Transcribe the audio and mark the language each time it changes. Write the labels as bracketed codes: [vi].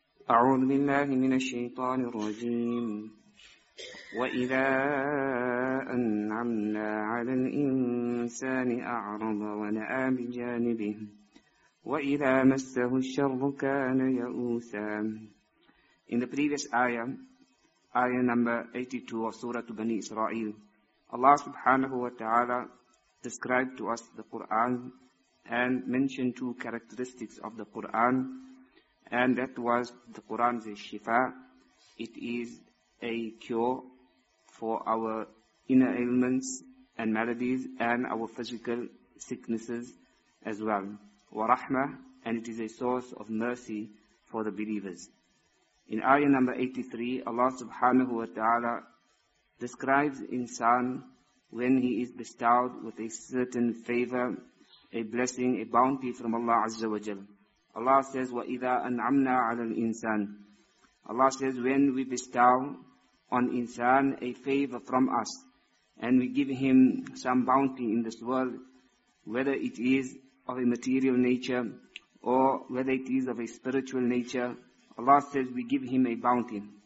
[ar] أعوذ بالله من الشيطان الرجيم. وإذا أنعمنا على الإنسان أعرض ونأى بجانبه وإذا مسه الشر كان يئوسا. [en] In the previous ayah, ayah number 82 of Surah Bani Israel, Allah subhanahu wa ta'ala described to us the Quran and mentioned two characteristics of the Quran, and that was the Quran is a shifa, it is a cure for our inner ailments and maladies and our physical sicknesses as well, wa rahma, and it is a source of mercy for the believers. In ayah number 83, Allah subhanahu wa ta'ala describes insan when he is bestowed with a certain favor, a blessing, a bounty from Allah Azza wa Jal. [ar] Allah says, وَإِذَا أَنْعَمْنَا عَلَى الْإِنسَانِ. [en] Allah says, when we bestow on insan a favor from us, and we give him some bounty in this world, whether it is of a material nature, or whether it is of a spiritual nature, Allah says, we give him a bounty.